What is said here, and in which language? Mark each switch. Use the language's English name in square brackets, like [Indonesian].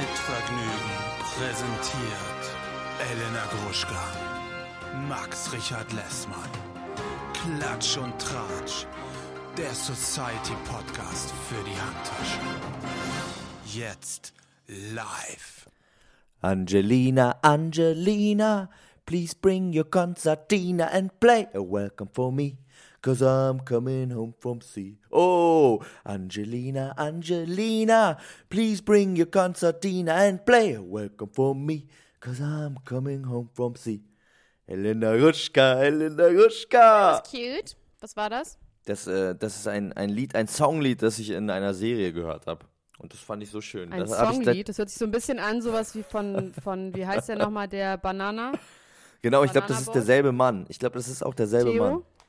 [German] Vergnügen präsentiert Elena Gruschka, Max Richard Lessmann, Klatsch und Tratsch, der Society Podcast für die Handtasche. Jetzt live. [English] Angelina, Angelina, please bring your concertina and play a welcome for me. 'Cause I'm coming home from sea. Oh, Angelina, Angelina, please bring your concertina and play a welcome for me. 'Cause I'm coming home from sea. [German] Elena Gruschka, Elena Gruschka. Das ist cute. Was war das? Das ist ein Lied, ein Songlied, das ich in einer Serie gehört habe. Und das fand ich so schön. Ein das Songlied, das hört sich so ein bisschen an, sowas wie von wie heißt der nochmal, der Banana? Genau, ich glaube, das ist derselbe Mann. Ich glaube, das ist auch derselbe Theo? Mann.